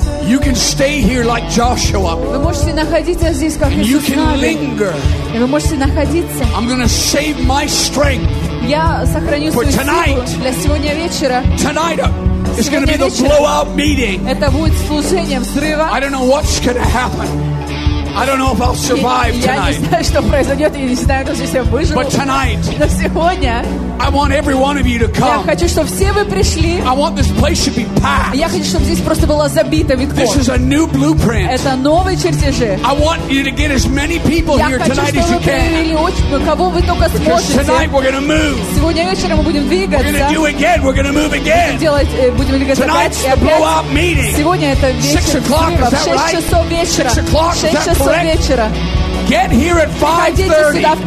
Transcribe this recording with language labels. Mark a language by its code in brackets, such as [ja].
[en] You can stay here like Joshua. [ru] Вы можете находиться здесь, как [en] Иисус. You can linger. [ru] Вы можете находиться. [en] I'm going to save my strength. [ru] Я сохраню свою силу для сегодня вечера. [en] Tonight is going to be the blowout meeting. [ru] Это будет служение взрыва. [en] I don't know what's going to happen. I don't know if I'll survive tonight. [ru] Я не знаю, что произойдет, и не знаю, даже если я выживу. [en] But tonight. [ru] Но сегодня. [en] I want every one of you to come. [ru] Я хочу, чтобы все вы пришли. [en] I want this place to be packed. [ru] Я хочу, чтобы здесь просто было забито витком. [en] This is a new blueprint. [ru] Это новые чертежи. [en] I want you to get as many people here tonight as you can. [ru] Я хочу, чтобы вы привели очень, кого вы только сможете. [en] Because tonight we're gonna move. [ru] Сегодня вечером мы будем двигаться. [en] We're gonna do again. We're gonna move again. [ru] Будем двигаться опять. [en] Tonight's the blowout meeting. [ru] Сегодня это вечер. 6 часов вечера. [en] Get here at 5:30.